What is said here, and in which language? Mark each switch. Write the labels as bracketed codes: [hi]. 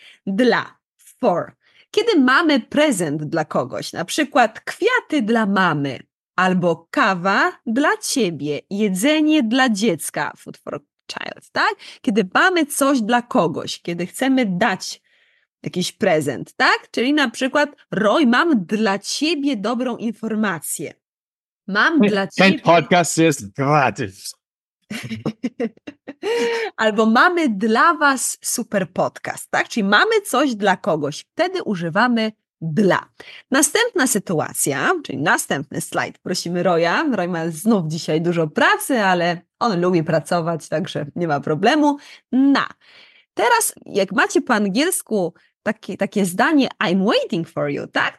[pl] Dla, for. Kiedy mamy prezent dla kogoś, na przykład kwiaty dla mamy, albo kawa dla ciebie, jedzenie dla dziecka, [en] food for child, [pl] tak? Kiedy mamy coś dla kogoś, kiedy chcemy dać jakiś prezent, tak? Czyli na przykład, Roy, mam dla ciebie dobrą informację. Mam dla ciebie... Ten podcast jest gratis. Albo mamy dla was super podcast, tak? Czyli mamy coś dla kogoś, wtedy używamy dla. Następna sytuacja, czyli następny slajd, prosimy Roya. Roy ma znów dzisiaj dużo pracy, ale on lubi pracować, także nie ma problemu. Na. Teraz, jak macie po angielsku takie zdanie [en] I'm waiting for you, [pl] tak?